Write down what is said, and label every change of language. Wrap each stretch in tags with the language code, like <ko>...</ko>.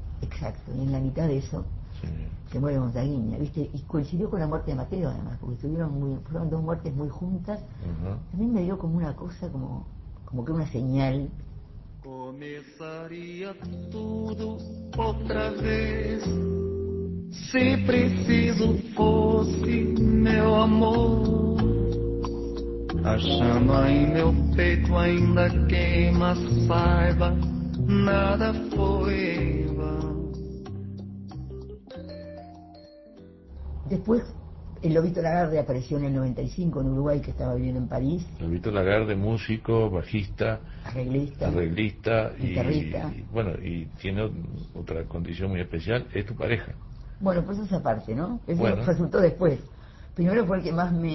<es>Exacto, y en la mitad de eso se muere Gonzaguinha, ¿viste? Y coincidió con la muerte de Mateo, además, porque fueron dos muertes muy juntas. A mí me dio como una cosa, como que una señal. Comenzaría todo otra vez.</es> <pt>Si preciso fosse meu amor, a chama em meu peito ainda queima, saiba, nada foi em vão.</pt> <es>Después, el Lobito Lagarde apareció en el 95 en Uruguay, que estaba viviendo en París. Lobito Lagarde, músico, bajista, arreglista y tiene otra condición muy especial, es tu pareja. Bueno, pues esa parte, ¿no? Eso resultó después. Primero fue el que más</es>